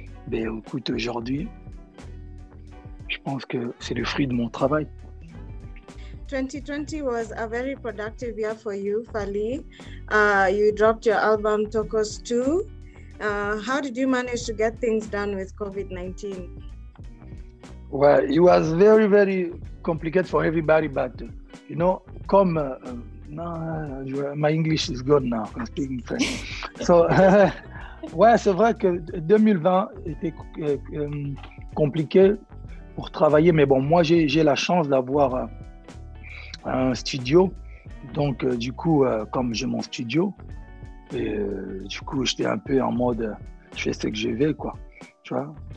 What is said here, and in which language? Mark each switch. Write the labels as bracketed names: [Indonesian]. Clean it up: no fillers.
[French] Mais écoute, aujourd'hui, je pense que c'est le fruit de mon travail. [English] 2020 was a very productive year for you, Fally. You dropped your album Tokos 2. How did you manage to get things done with COVID-19? Well, it was very, very complicated for everybody, but you know, come, my English is good now, I'm speaking French. [French] So, ouais, c'est vrai que 2020 était compliqué pour travailler, mais bon, moi j'ai la chance d'avoir un studio, donc du coup, comme j'ai mon studio, et, du coup, j'étais un peu en mode, je fais ce que je veux, quoi, tu vois.